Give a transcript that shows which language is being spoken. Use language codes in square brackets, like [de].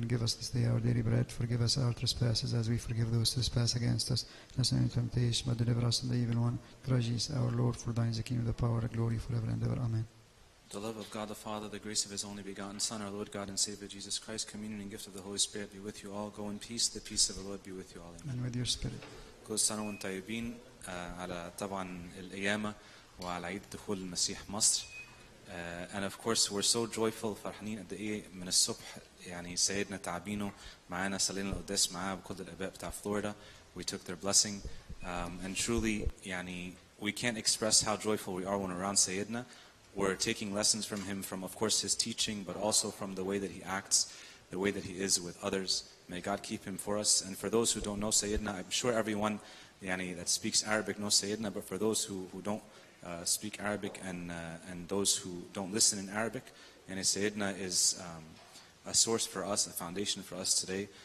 [en] Give us this day our daily bread, forgive us our trespasses, as we forgive those who trespass against us. Lead us not into temptation, but deliver us from the evil one. Through Jesus our Lord, for thine is the kingdom, the power, the glory, forever and ever. Amen. The love of God the Father, the grace of His only begotten Son, our Lord God and Savior Jesus Christ, communion and gift of the Holy Spirit be with you all. Go in peace. The peace of the Lord be with you all. Amen. And with your spirit. [ar] كل سنة وانتم طيبين على طبعا الأيام وعلى عيد دخول المسيح مصر. [en] And of course, we're so joyful. [ar] فرحانين قد إيه من الصبح يعني سيدنا تعبينه معانا صلينا القداس معاه بكل الآباء بتاع فلوريدا. [en] We took their blessing. And truly, يعني we can't express how joyful we are when around سيدنا. We're taking lessons from him, from, of course, his teaching, but also from the way that he acts, the way that he is with others. May God keep him for us. And for those who don't know Sayyidina, I'm sure everyone yani, that speaks Arabic knows Sayyidina, but for those who don't speak Arabic and those who don't listen in Arabic, yani Sayyidina is a source for us, a foundation for us today.